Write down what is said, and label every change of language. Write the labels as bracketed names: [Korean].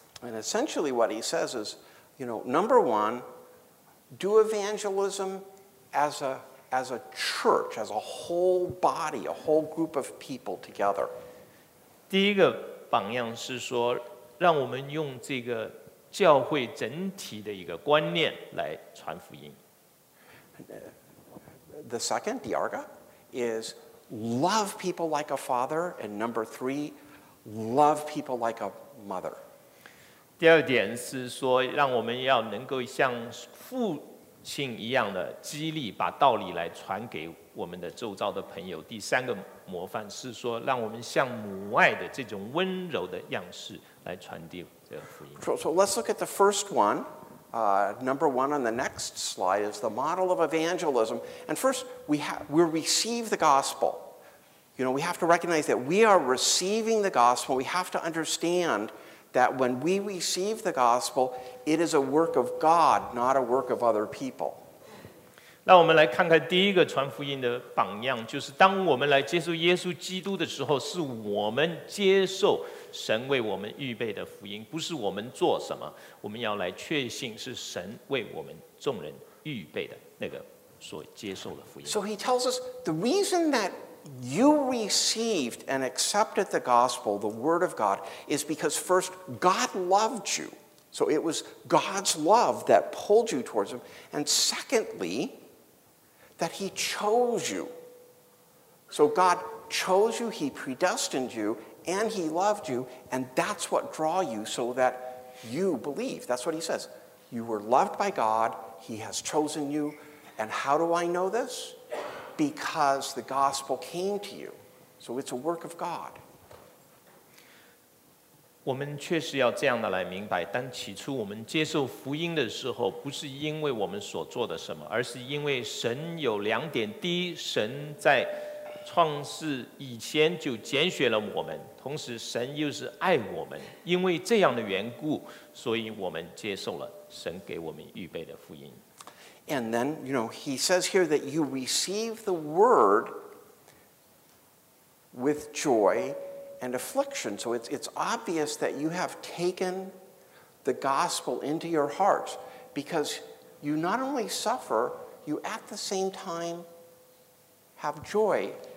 [English] And essentially what he says is, you know, number one, do evangelism as a church, as a whole body, a whole group of people together. [Chinese] 第一个榜样是说让我们用这个教会整体的一个观念来传福音。 [English] The second, Diarga, is love people like a father, and number three, love people like a mother. [Chinese] 第二点是说让我们要能够像父亲一样的激励，把道理来传给我们的周遭的朋友。第三个模范是说让我们像母爱的这种温柔的样式来传递这个福音。 [English] So let's look at the first one. Number one on the next slide is the model of evangelism. And first, we receive the gospel. You know, we have to recognize that we are receiving the gospel. We have to understand that when we receive the gospel, it is a work of God, not a work of other people. [Chinese] 让我们来看看第一个传福音的榜样，就是当我们来接受耶稣基督的时候，是我们接受神为我们预备的福音，不是我们做什么，我们要来确信是神为我们众人预备的那个所接受的福音。 [English] So he tells us the reason that you received and accepted the gospel, the word of God, is because first God loved you. So it was God's love that pulled you towards him. And secondly, that he chose you. So God chose you, he predestined you, and he loved you, and that's what draw you so that you believe. That's what he says. You were loved by God, he has chosen you, and how do I know this? Because the gospel came to you. So it's a work of God. [Chinese] 我们确实要这样的来明白，当起初我们接受福音的时候，不是因为我们所做的什么，而是因为神有两点。第一，神在创世以前就拣选了我们，同时神又是爱我们，因为这样的缘故，所以我们接受了神给我们预备的福音。 [English] And then, you know, he says here that you receive the word with joy and affliction. So it's obvious that you have taken the gospel into your heart because you not only suffer, you at the same time have joy.